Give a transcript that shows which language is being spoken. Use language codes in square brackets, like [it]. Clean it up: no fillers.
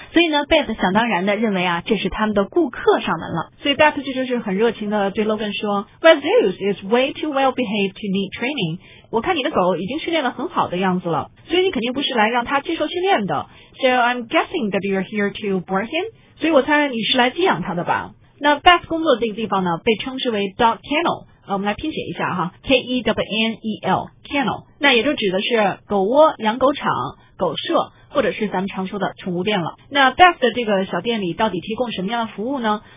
[zh] 所以呢 ,Beth 想当然的认为啊这是他们的顾客上门了。所以 Beth 就是很热情的对 Logan 说 , [en] Well, Zeus is way too well behaved to need training. [zh] 我看你的狗已经训练得很好的样子了，所以你肯定不是来让它接受训练的。 [en] So I'm guessing that you're here to board him. [zh] 所以我猜你是来寄养它的吧。那 Beth 工作的这个地方呢，被称之为 dog kennel。我们来拼写一下哈 ，K-E-N-N-E-L kennel。那也就指的是狗窝、养狗场、狗舍，或者是咱们常说的宠物店了。那 Beth 的这个小店里到底提供什么样的服务呢？